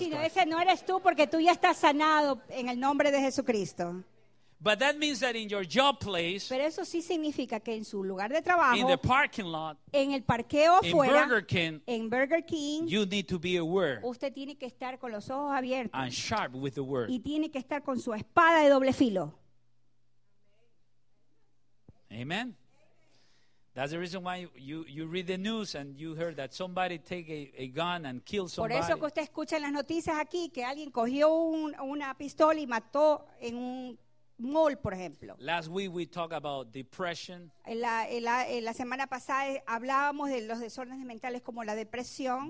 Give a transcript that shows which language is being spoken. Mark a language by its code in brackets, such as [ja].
[es] vecino, ese no eres tú porque tú ya estás sanado en el nombre de Jesucristo. [en] But that means that in your job place, [es] pero eso sí significa que en su lugar de trabajo, [en] in the parking lot, [es] en el parqueo afuera, en [en] Burger King, you need to be aware, [es] usted tiene que estar con los ojos abiertos, [en] and sharp with the word, [es] y tiene que estar con su espada de doble filo. [en] Amen. That's the reason why you read the news and you heard that somebody take a gun and kill somebody. [es] Por eso que usted escucha en las noticias aquí que alguien cogió una pistola y mató en un mall, por ejemplo. [en] Last week we talked about depression. [es] En la semana pasada hablábamos de los desórdenes mentales como la depresión.